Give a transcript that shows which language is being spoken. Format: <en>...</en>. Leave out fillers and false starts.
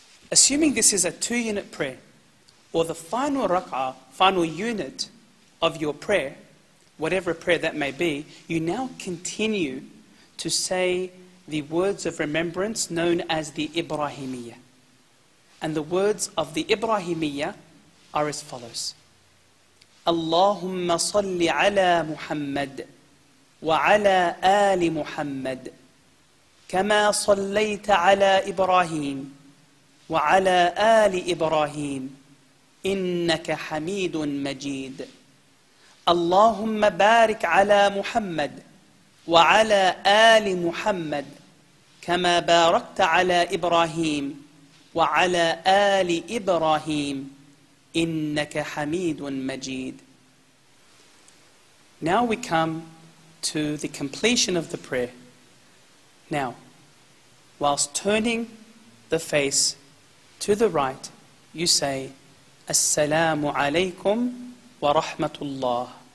<en>Assuming this is a two-unit prayer, or the final rak'ah, final unit of your prayer, whatever prayer that may be, you now continue to say the words of remembrance known as the Ibrahimiyyah. And the words of the Ibrahimiyyah are as follows.</en> <ar>Allahumma salli ala Muhammad wa ala ali Muhammad kama sallayta ala Ibrahim وعلى آل إبراهيم إنك حميد مجيد اللهم بارك على محمد وعلى آل محمد كما باركت على إبراهيم وعلى آل إبراهيم إنك حميد مجيد.</ar> <en>Now we come to the completion of the prayer. Now, whilst turning the face to the right, you say,</en> <ar>Assalamu alaykum wa rahmatullah.</ar>